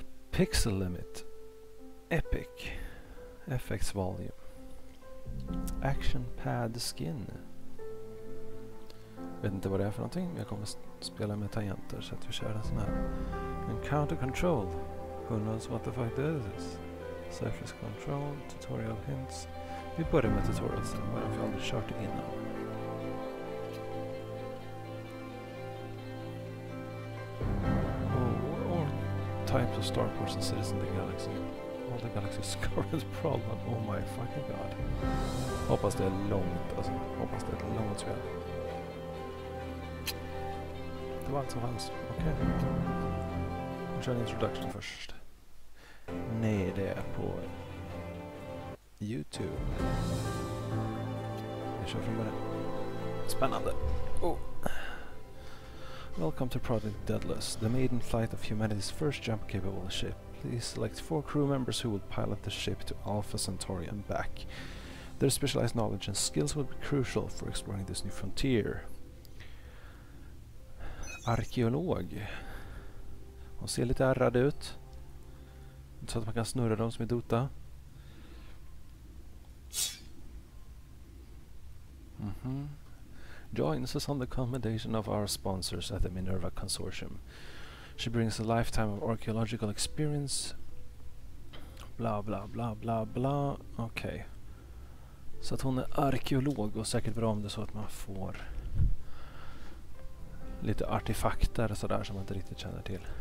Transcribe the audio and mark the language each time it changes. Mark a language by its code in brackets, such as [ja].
[en] Pixel limit. Epic. FX volume. Action pad skin. [sv] Vet inte vad det är för någonting, men jag kommer spela med tangenter så att vi kör en sån här. [en] Encounter control. Who knows what the fuck this is? Surface control, tutorial hints. [sv] Vi börjar med tutorialsen, vad jag aldrig kört innan. [en] Types of starports and cities in the galaxy. All the galaxy's current problem. Oh my fucking god. [sv] Hoppas det är långt, alltså. Hoppas det är långt spel. Det var allt som fanns. Okej. Okay. Vi kör en introduction först. Nej, det är på YouTube. Vi kör från början. Spännande. [en] Oh. Welcome to Project Daedalus, the maiden flight of humanity's first jump-capable ship. Please select four crew members who will pilot the ship to Alpha Centauri and back. Their specialized knowledge and skills will be crucial for exploring this new frontier. [sv] Arkeolog. Hon ser lite ärrad ut. Så att man kan snurra dem som är dota. Mm-hmm. [en] Join us on the accommodation of our sponsors at the Minerva Consortium. She brings a lifetime of archaeological experience. Blah, blah, blah, blah, blah. Okej. [sv] Så att hon är arkeolog och säkert bra om det så att man får lite artefakter och sådär som man inte riktigt känner till.